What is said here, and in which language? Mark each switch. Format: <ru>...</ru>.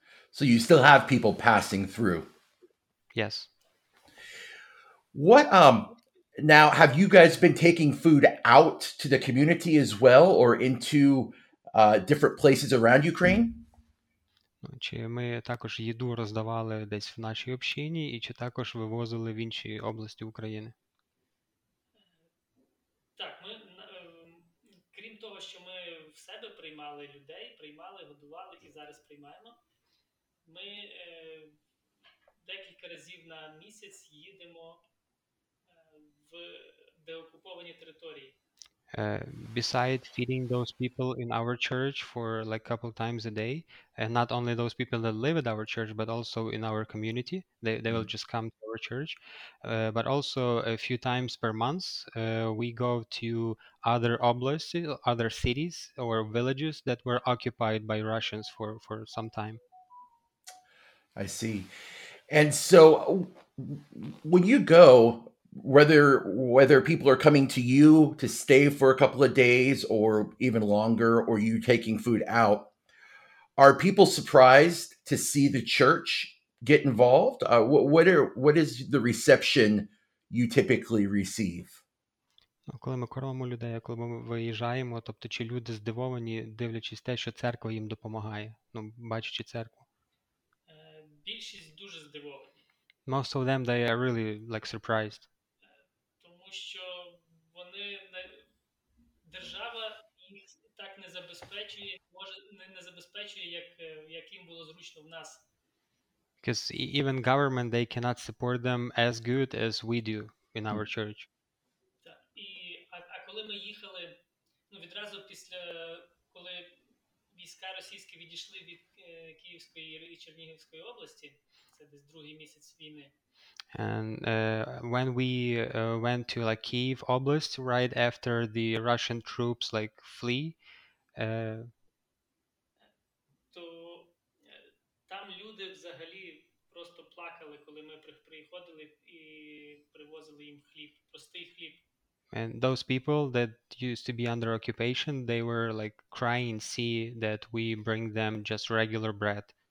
<en>So you still have people passing through? Yes. What now, have you guys been taking food out to the community as well, or into different places around Ukraine?</en> <uk>Чи ми також їду роздавали десь в нашій общині, і чи також вивозили в інші області України? Так, ми, крім того, що ми в себе приймали людей, приймали, годували і зараз приймаємо, ми декілька разів на місяць їдемо в деокуповані території.</uk> <en>Besides feeding those people in our church for like a couple times a day, and not only those people that live at our church, but also in our community, they will just come to our church. But also a few times per month, we go to other oblasts, other cities or villages that were occupied by Russians for some time. I see. And so when you go, whether people are coming to you to stay for a couple of days or even longer, or you taking food out, are people surprised to see the church get involved? What is the reception you typically receive?</en> <uk>Коли ми кормимо людей, коли ми виїжджаємо, тобто чи люди здивовані, дивлячись те, що церква їм допомагає, ну, бачачи церкву? Більшість дуже здивовані.</uk> <en>Most of them, they are really like surprised.</en> <uk>Що вони не, держава їх так не забезпечує, може не забезпечує, як їм було зручно в нас.</uk> <en>Because even government, they cannot support them as good as we do in our church.</en> <uk>Так. А коли ми їхали, ну, відразу після, коли війська російські відійшли від Київської і Чернігівської області, це десь другий місяць війни.</uk> <en>And when we went to like Kiev Oblast right after the Russian troops like flee,</en> <uk>то там люди взагалі просто плакали, коли ми приходили і привозили їм хліб, простий хліб.</uk> <en>And those people that used to be under occupation, they were like crying, see that we bring them just regular bread.</en>